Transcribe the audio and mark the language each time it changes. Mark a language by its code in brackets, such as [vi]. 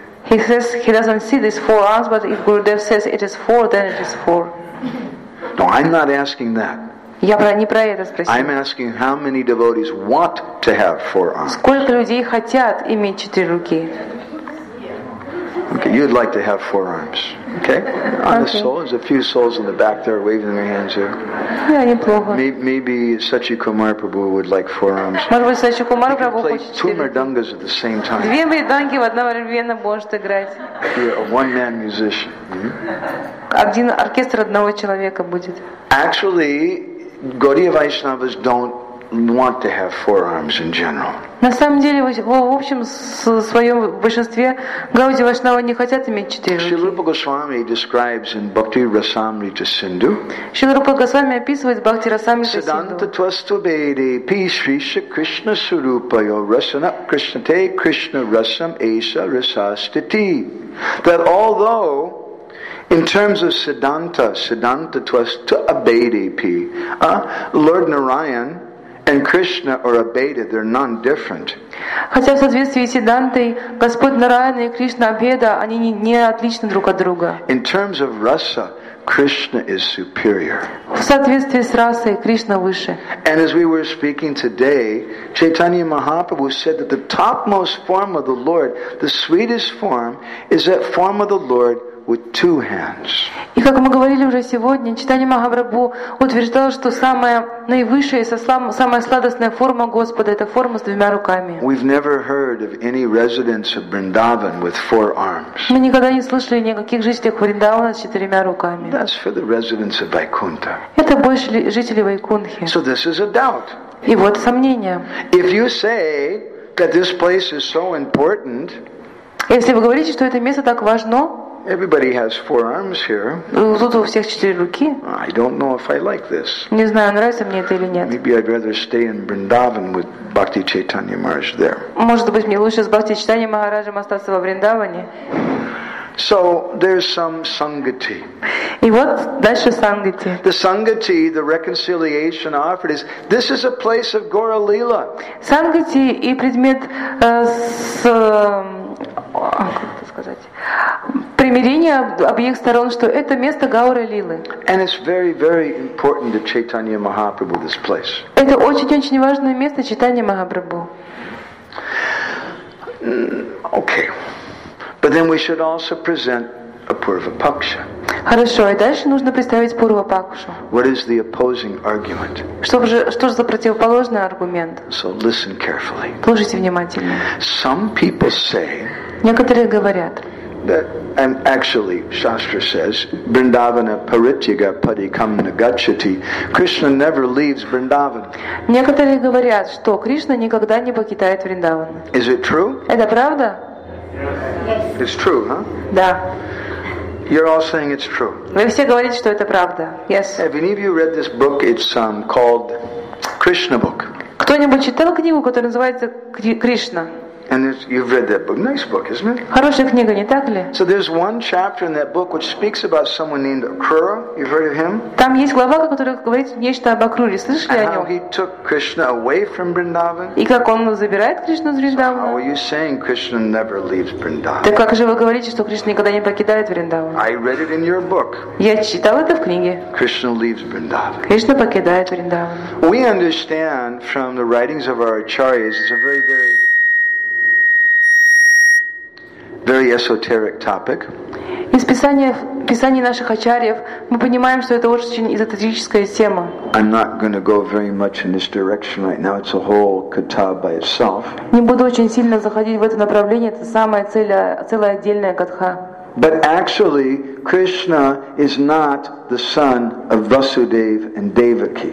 [en] He says he doesn't see these four arms, but if Gurudev says it is four, then it is four. No, I'm not asking that. [ru] Я не про это спросил. [en] I'm asking how many devotees want to have four arms. [ru] Сколько людей хотят иметь четыре руки? [en] Okay, you'd like to have four arms. Okay? On the soul, there's a few souls in the back there waving their hands here. [ru] Yeah, неплохо. [en] Maybe Sachi Kumar Prabhu would like four arms. [ru] Может быть, Сачи Кумар Прабху хочет четыре. [en] Two мридангас at the same time. [ru] Две мриданги в одновременно может играть. [en] You're a one-man musician. [ru] Один оркестр одного человека будет. [en] Actually, Gaudiya Vaishnavas don't want to have four arms in general. [ru] На самом деле, в общем, в своем большинстве Гауди Вашнава не хотят иметь четыре руки. [en] Шрила Госвами describes in Bhakti Rasamrita Sindhu. [ru] Шрила Госвами описывает Бхакти Расамрита Синду. [sa] Сиданта твасту бейди пи шри ша Кришна сурупайо расана Кришна те Кришна расам эйса расастити. [en] That although in terms of Siddhanta, [sa] Siddhanta twastu abhedi pi, [en] Lord Narayan and Krishna or Abheda, they're non-different. [ru] Хотя в соответствии с Сиддхантой, Господь Нараяна и Кришна Абхеда, они не отличны друг от друга. [en] In terms of rasa, Krishna is superior. [ru] В соответствии с расой, Кришна выше. [en] And as we were speaking today, Chaitanya Mahaprabhu said that the topmost form of the Lord, the sweetest form, is that form of the Lord with two hands. [ru] И как мы говорили уже сегодня, Чайтанья Махапрабху утверждал, что самая наивысшая и самая сладостная форма Господа — это форма с двумя руками. [en] We've never heard of any residents of Vrindavan with four arms. [ru] Мы никогда не слышали никаких жителей Вриндавана с четырьмя руками. [en] That's for the residents of Vaikuntha. [ru] Это больше жители Вайкунхи. [en] So this is a doubt. [ru] И вот сомнение. [en] If you say that this place is so important, [ru] если вы говорите, что это место так важно, [en] everybody has four arms here. [ru] Тут у всех четыре руки. [en] I don't know if I like this. [ru] Не знаю, нравится мне это или нет. [en] Maybe I'd rather stay in Vrindavan with Bhakti Chaitanya Maharaj there. [ru] Может быть, мне лучше с Бхакти Чайтанья Махараджем остаться во Вриндаване. [en] So there's some sangati. [ru] И вот дальше сангати. [en] The sangati, the reconciliation offered is this is a place of Gaura Lila. [ru] Сангати и предмет с как это сказать? примирение обеих сторон, что это место Гаура Лилы. [en] And it's very, very important to Chaitanya Mahaprabhu, this place. [ru] Это очень-очень важное место Чайтанья Махапрабху. [en] Okay. But then we should also present a Purva Paksha. [ru] Хорошо, и дальше нужно представить Пурва Пакшу. [en] What is the opposing argument? [ru] Что же за противоположный аргумент? [en] So listen carefully. [ru] Слушайте внимательно. [en] Some people say. [ru] Некоторые говорят. [en] That, and actually, Shastra says, [sa] Vrindavana parityaga padikam nagacchati. [en] Krishna never leaves Vrindavan. [ru] Некоторые говорят, что Кришна никогда не покидает Вриндаван. [en] Is it true? [ru] Это правда? [en] Yes. It's true, huh? [ru] Да. [en] You're all saying it's true. [ru] Вы все говорите, что это правда. [en] Yes. Have any of you read this book? It's called Krishna book. [ru] Кто-нибудь читал книгу, которая называется Кришна? [en] And you've read that book. Nice book, isn't it? [ru] Хорошая книга, не так ли? [en] So there's one chapter in that book which speaks about someone named Akrura. You've heard of him? [ru] Там есть глава, которая говорит нечто об Акруре. Слышали о нем? [en] And how he took Krishna away from Vrindavan. [ru] И как он забирает Кришну из Вриндавана. [en] So how are you saying Krishna never leaves Vrindavan? [ru] Так как же вы говорите, что Кришна никогда не покидает Вриндаван? [en] I read it in your book. [ru] Я читал это в книге. [en] Krishna leaves Vrindavan. [ru] Кришна покидает Вриндаван. [en] We understand from the writings of our acharyas, it's a very, very very esoteric topic. [ru] Из писаний наших ачарьев мы понимаем, что это очень эзотерическая тема. [en] I'm not going to go very much in this direction right now. It's a whole katha by itself. [ru] Не буду очень сильно заходить в это направление. Это самая целая отдельная катха. [en] But actually, Krishna is not the son of Vasudeva and Devaki.